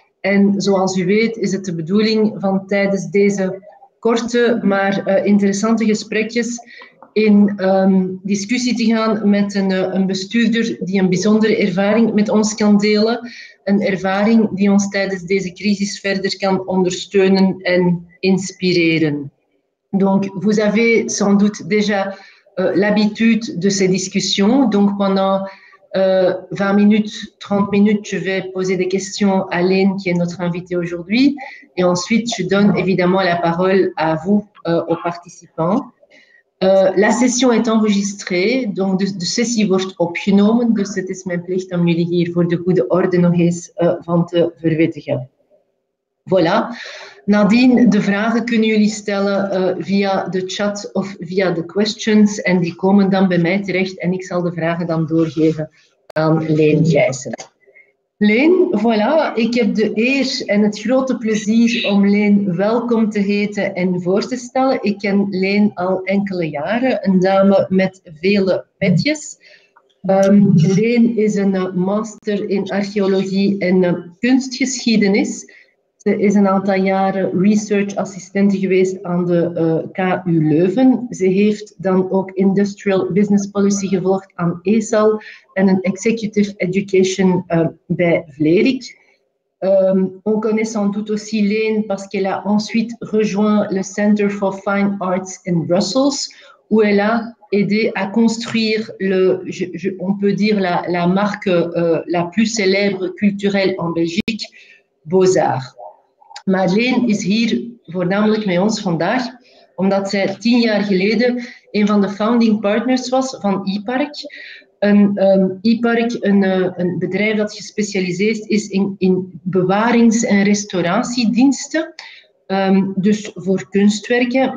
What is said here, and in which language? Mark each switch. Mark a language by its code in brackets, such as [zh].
[nl] En zoals u weet is het de bedoeling van tijdens deze korte, maar interessante gesprekjes in discussie te gaan met een bestuurder die een bijzondere ervaring met ons kan delen. Een ervaring die ons tijdens deze crisis verder kan ondersteunen en inspireren. [fr] Donc, vous avez sans doute déjà l'habitude de ces discussions. Donc, pendant 20 minutes, 30 minutes, je vais poser des questions à Lynn, qui est notre invitée aujourd'hui. Et ensuite, je donne évidemment la parole à vous, aux participants. La session est enregistrée. [nl] Donc, de sessie wordt opgenomen. Dus het is mijn plicht om jullie hier voor de goede orde nog eens van te verwittigen. Voilà. Nadien, de vragen kunnen jullie stellen via de chat of via de questions. En die komen dan bij mij terecht en ik zal de vragen dan doorgeven aan Leen Gijssen. Leen, voilà. Ik heb de eer en het grote plezier om Leen welkom te heten en voor te stellen. Ik ken Leen al enkele jaren, een dame met vele petjes. Leen is een master in archeologie en kunstgeschiedenis. Ze is een aantal jaren research assistente geweest aan de KU Leuven. Ze heeft dan ook industrial business policy gevolgd aan ESAL en een executive education bij Vlerick. [fr] On connaît sans doute aussi Lane parce qu'elle a ensuite rejoint le Center for Fine Arts in Brussels, où elle a aidé à construire on peut dire la marque la plus célèbre culturelle en Belgique, Beaux-Arts. [nl] Maar Leen is hier voornamelijk met ons vandaag, omdat zij 10 jaar geleden een van de founding partners was van IPARC. IPARC, een bedrijf dat gespecialiseerd is in bewarings- en restauratiediensten, dus voor kunstwerken.